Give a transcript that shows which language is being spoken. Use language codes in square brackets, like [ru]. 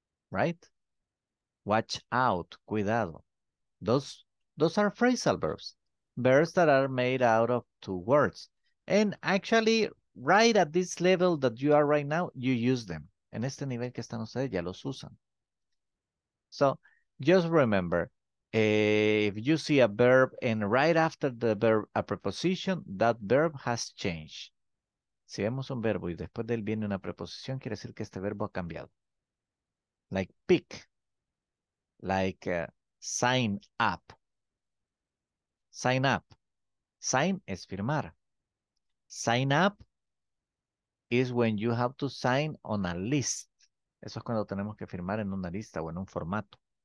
[en] Right? Watch out. [es] Cuidado. [en] Those are phrasal verbs. Verbs that are made out of two words. And actually, right at this level that you are right now, you use them. [es] En este nivel que están ustedes, ya los usan. [en] So, just remember, if you see a verb and right after the verb, a preposition, that verb has changed. [es] Si vemos un verbo y después de él viene una preposición, quiere decir que este verbo ha cambiado. [en] Like pick. Like sign up. Sign up. [es] Sign es firmar. [en] Sign up is when you have to sign on a list. [es] Eso es cuando tenemos que firmar en una lista o en un formato.